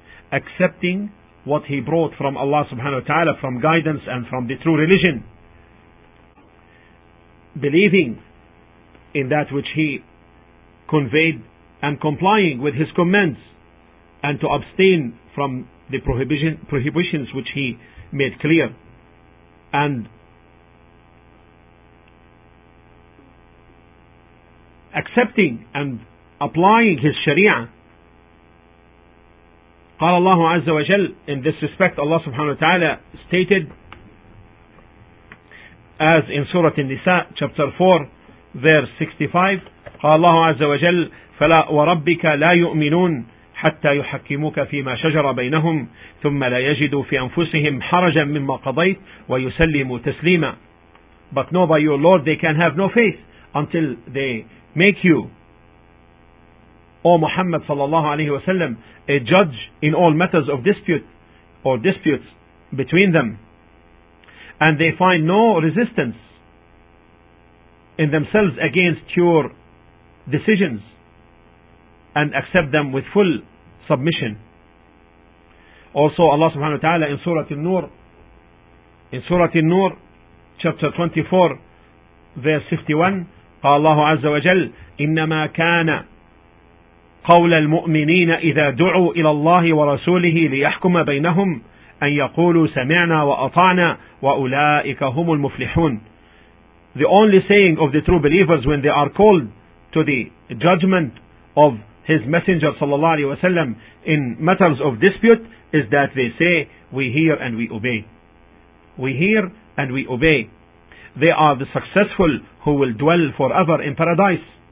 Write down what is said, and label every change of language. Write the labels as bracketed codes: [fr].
[en] accepting what he brought from Allah subhanahu wa ta'ala, from guidance and from the true religion, believing in that which he conveyed and complying with his commands, and to abstain from the prohibitions which he made clear, and accepting and applying his sharia. [ar] قال الله عز وجل, [en] in this respect Allah subhanahu wa ta'ala stated as in Surah An-Nisa chapter 4 verse 65, [ar] قال الله عز وجل فلا وربك لا يؤمنون حتى يحكموك فيما شجر بينهم ثم لا يجدوا في أنفسهم حرجا مما قضيت ويسلموا تسليما. [en] But no, by your Lord they can have no faith until they make you, O Muhammad sallallahu alayhi wa sallam, a judge in all matters of dispute or disputes between them, and they find no resistance in themselves against your decisions, and accept them with full submission. Also Allah subhanahu wa ta'ala in Surah An-Nur, chapter 24 verse 51, [ar] قال الله عز وجل إنما كان قول المؤمنين إذا دعوا إلى الله ورسوله ليحكم بينهم أن يقولوا سمعنا وأطعنا وأولئك هم المفلحون. [en] The only saying of the true believers when they are called to the judgment of his messenger sallallahu alaihi wasallam in matters of dispute is that they say, we hear and we obey. We hear and we obey. They are the successful who will dwell forever in paradise.